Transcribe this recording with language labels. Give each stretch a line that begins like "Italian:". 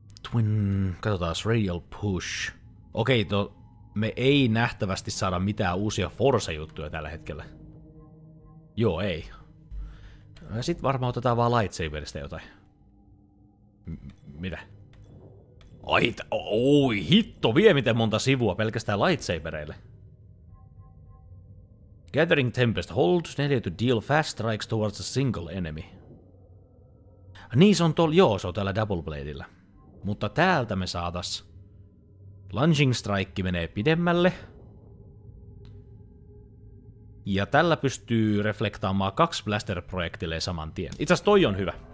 Finnish: Twin... Katsotaas, Radial Push. Okei, me ei nähtävästi saada mitään uusia Force-juttuja tällä hetkellä. Joo, ei. Sitten varmaan otetaan vaan lightsaberista jotain. Mitä? Oi, hitto vie miten monta sivua pelkästään lightsabereille.
English: Gathering Tempest, hold 4 to deal fast strikes towards a single enemy.
Finnish: Niin se on tuolla, joo, se on täällä double bladeillä. Mutta täältä me saatas... Lunging strike menee pidemmälle. Ja tällä pystyy reflektaamaan 2 blaster-projektille saman tien. Itse asiassa toi on hyvä.